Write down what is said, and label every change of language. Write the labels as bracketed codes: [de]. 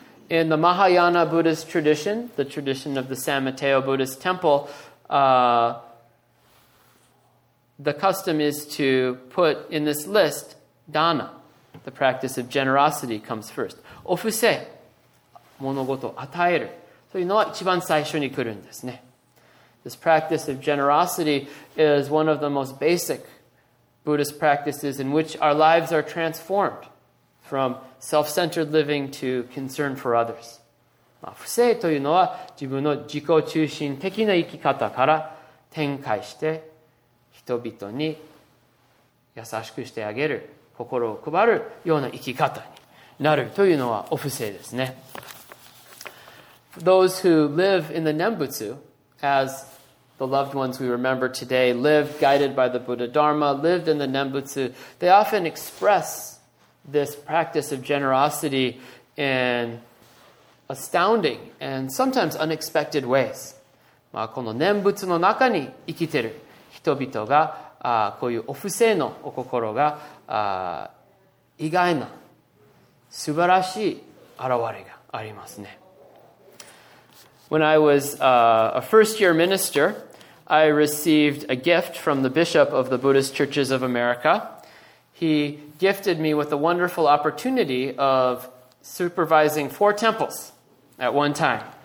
[en] In the Mahayana Buddhist tradition, the tradition of the San Mateo Buddhist Temple, the custom is to put in this list dana, the practice of generosity comes first. Ofuse, 物事を与える。 [ja] というのは一番最初に来るんですね。 [en] This practice of generosity is one of the most basic Buddhist practices in which our lives are transformed from self-centered living to concern for others. [ja] 不正というのは自分の自己中心的な生き方から展開して人々に優しくしてあげる、心を配るような生き方になるというのはお不正ですね。 [en] Those who live in the Nembutsu, as the loved ones we remember today, lived guided by the Buddha Dharma, lived in the Nembutsu, they often express this practice of generosity in astounding and sometimes unexpected ways. [ja] まあ、この念仏の中に生きている人々がこういうお布施のお心が意外な素晴らしい現れがありますね。 [en] When I was a first year minister, I received a gift from the Bishop of the Buddhist Churches of America. He gifted me with a wonderful opportunity of supervising 4 temples at one time.